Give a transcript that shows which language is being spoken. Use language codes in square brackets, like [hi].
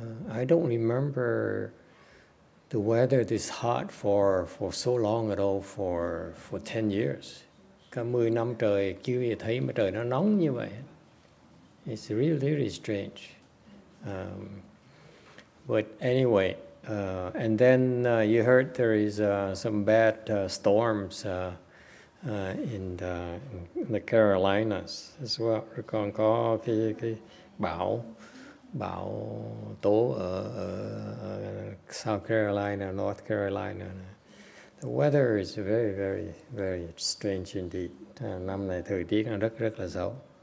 [en] I don't remember the weather this hot for so long at all for 10 years. [vi] Cả 10 năm trời chưa bao giờ thấy mà trời nó nóng như vậy. [en] It's really, really strange. But anyway, and then you heard there is some bad storms in the Carolinas as well. [vi] Còn có cái bão. Bão tố ở South Carolina, North Carolina. [en] The weather is very, very, very strange indeed. [vi] Năm này thời tiết nó rất rất là xấu.